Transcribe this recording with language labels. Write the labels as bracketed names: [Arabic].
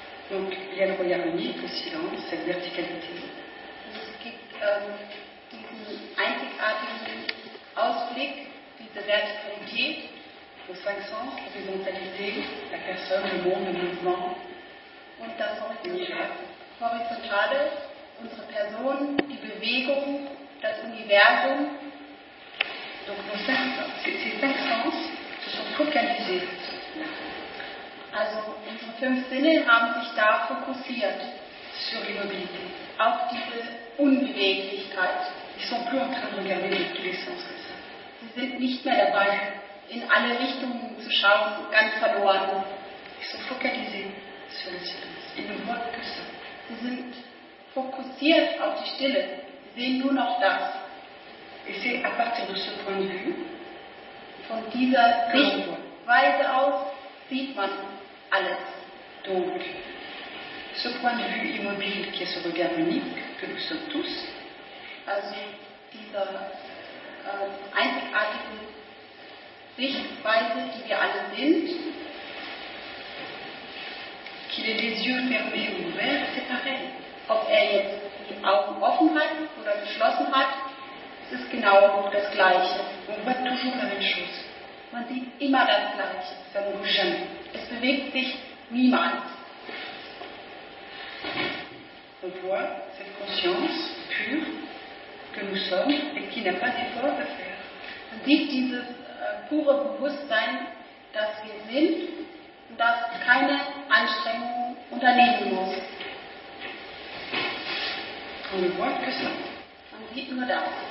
[French] Donc il y a le regard unique, le silence, cette verticalité. [German] Es gibt diesen einzigartigen Ausblick, diese Vertikalität. [French] Les cinq sens, l'horizontalité, la personne, le monde, le mouvement. [German] Und das Horizontale, unsere Person, die Bewegung, das Universum. [French] Donc nos cinq sens, ces cinq sens se sont focalisés. [German] Also unsere fünf Sinne haben sich da fokussiert. [French] Sur l'immobilité. [German] Auf diese Unbeweglichkeit. [French] Ils sont plus en train de regarder dans tous les sens. [German] Sie sind nicht mehr dabei, in alle Richtungen zu schauen, ganz verloren. [French] Ils sont focalisés sur le silence. Ils ne voient que ça. [German] Sie sind fokussiert auf die Stille. Sie sehen nur noch das. [French] Et c'est à partir de ce point de vue, [German] von dieser Sichtweise aus, sieht man alles. [French] Donc, ce point de vue immobile qui est ce regard unique que nous sommes tous, [German] also dieser einzigartigen Sichtweise, die wir alle sind, [French] qu'il ait les yeux fermés ou ouverts, c'est pareil. [German] Ob er jetzt die Augen offen hat oder geschlossen hat, es ist genau das Gleiche. [French] On voit toujours la même chose. [German] Man sieht immer das Gleiche, [French] ça ne bouge jamais. [German] Es bewegt sich niemand. [French] On voit cette conscience pure que nous sommes et qui n'a pas d'effort à faire. [German] Man sieht dieses pure Bewusstsein, das wir sind und das keine Anstrengung unternehmen muss. [French] On ne voit que ça. [German] Man sieht nur das.